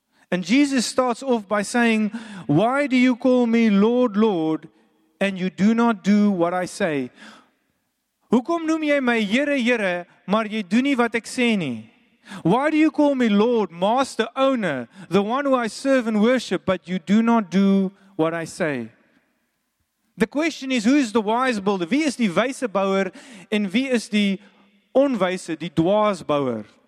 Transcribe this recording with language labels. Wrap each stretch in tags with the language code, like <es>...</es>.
<en>And Jesus starts off by saying, why do you call me Lord, Lord, and you do not do what I say?</en> <af>Hoekom noem jy my Here, Here, maar jy doen nie wat ek sê nie?</af> <en>Why do you call me Lord, Master, Owner, the one who I serve and worship, but you do not do what I say? The question is, who is the wise builder?</en> <af>Wie is die wyse bouer en wie is die onwyse, die dwaas bouer?</af>